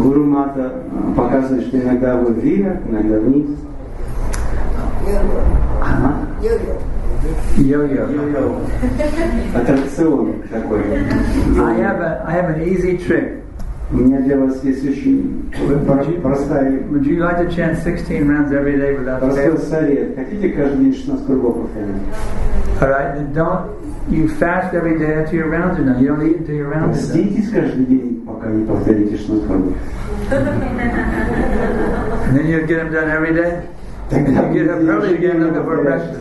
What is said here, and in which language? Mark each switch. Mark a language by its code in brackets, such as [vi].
[ru] Гуру Мата показывает, что иногда вы вверх, иногда вниз. Йо-йо. Аттракцион такой. [en] I have an easy trick. [ru] У меня для вас есть очень простая. [en] Would you like to chant 16 rounds every day without fail? [ru] Простой совет. Хотите каждый день 16 кругов повторять? [en] All right. Don't you fast every day until your rounds are done? You don't eat until your rounds are done. [ru] Поститесь каждый день, пока не повторите 16 кругов. [en] And then you'll get them done every day. You get up early again looking for breakfast.